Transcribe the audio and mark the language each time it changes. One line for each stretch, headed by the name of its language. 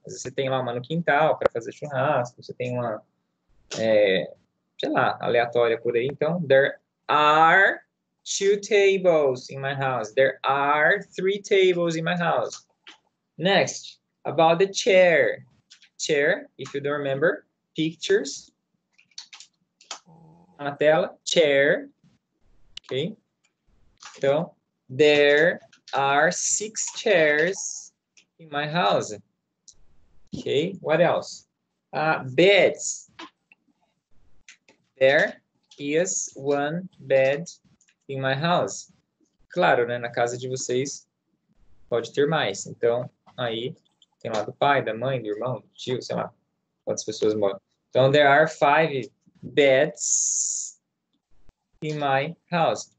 Portuguese: Às vezes você tem lá uma no quintal para fazer churrasco, você tem uma, é, sei lá, aleatória por aí.
English: Então, there are two tables in my house. There are three tables in my house. Next, about the chair. Chair, if you don't remember, pictures.
Portuguese: Na tela, chair. Ok?
English: Então, there are six chairs in my house. Ok? What else? Beds. There is one bed in my house.
Portuguese: Claro, né? Na casa de vocês pode ter mais. Então, aí tem lá do pai, da mãe, do irmão, do tio, sei lá, quantas pessoas moram.
English: Então, there are five beds in my house.